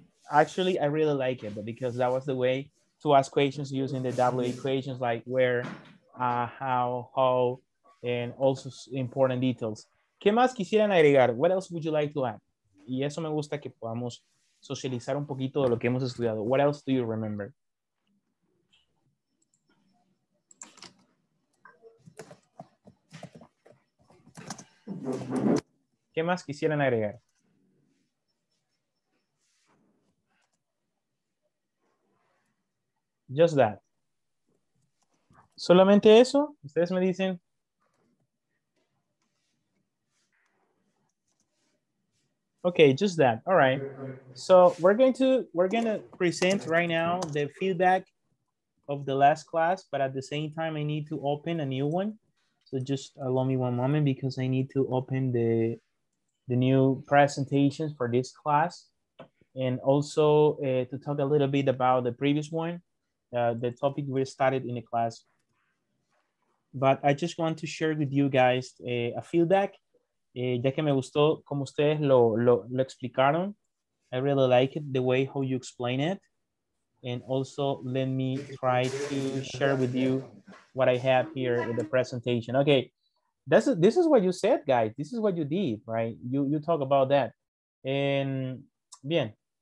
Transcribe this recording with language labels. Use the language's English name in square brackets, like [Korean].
[English] Actually, I really like it because that was the way to ask questions using the W equations like where, how, and also important details. [Spanish] ¿Qué más quisieran agregar? [English] What else would you like to add? [Spanish] Y eso me gusta que podamos socializar un poquito de lo que hemos estudiado. [English] What else do you remember? [Spanish] ¿Qué más quisieran agregar? [English] Just that. [Spanish] ¿Solamente eso? ¿Ustedes me dicen? [English] Okay, just that. All right. So we're going to present right now the feedback of the last class, but at the same time, I need to open a new one. So just allow me one moment because I need to open the new presentations for this class. And also to talk a little bit about the previous one, the topic we started in the class. But I just want to share with you guys a feedback. [Spanish] Ya que me gustó como ustedes lo explicaron. [English] I really like it, the way how you explain it. And also let me try to share with you what I have here in the presentation. Okay, this is what you said, guys. This is what you did, right? You talk about that. And [Spanish] bien.